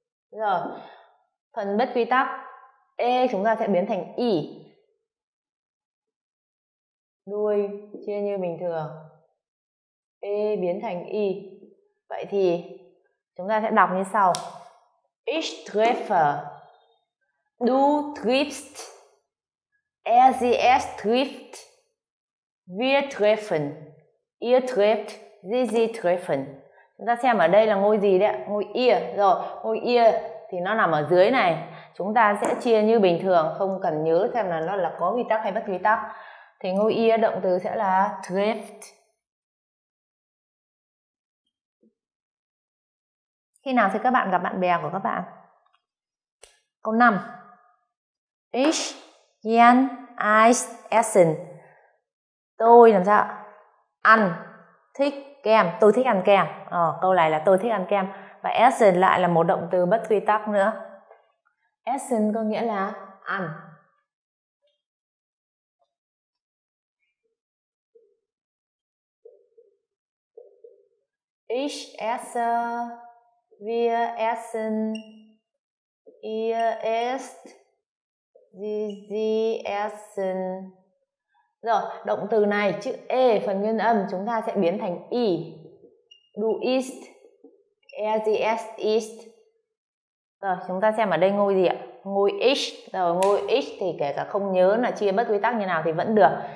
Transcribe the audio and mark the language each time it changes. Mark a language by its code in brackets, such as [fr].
[vi] Rồi, phần bất quy tắc E chúng ta sẽ biến thành I. Đuôi chia như bình thường, E biến thành I. Vậy thì chúng ta sẽ đọc như sau: [de] Ich treffe, du triffst, er sie es trifft, wir treffen, ihr trefft, sie sie treffen. [vi] Chúng ta xem ở đây là ngôi gì đấy, ngôi ihr. Rồi, ngôi ihr thì nó nằm ở dưới này. Chúng ta sẽ chia như bình thường, không cần nhớ xem là nó là có quy tắc hay bất quy tắc. Thì ngôi ihr động từ sẽ là trifft. Khi nào thì các bạn gặp bạn bè của các bạn? Câu 5. [de] Ich gehen Eis essen. [vi] Tôi làm sao? Ăn, thích kem. Tôi thích ăn kem. Ờ, câu này là tôi thích ăn kem. Và essen lại là một động từ bất quy tắc nữa. Essen có nghĩa là ăn. [de] Ich esse, wir essen, ihr esst, sie essen. [vi] Rồi, động từ này, chữ E, phần nguyên âm, chúng ta sẽ biến thành I. [de] Du isst, er, sie, es, isst. [vi] Rồi, chúng ta xem ở đây ngôi gì ạ? Ngôi ich. Rồi, ngôi ich thì kể cả không nhớ là chia bất quy tắc như nào thì vẫn được.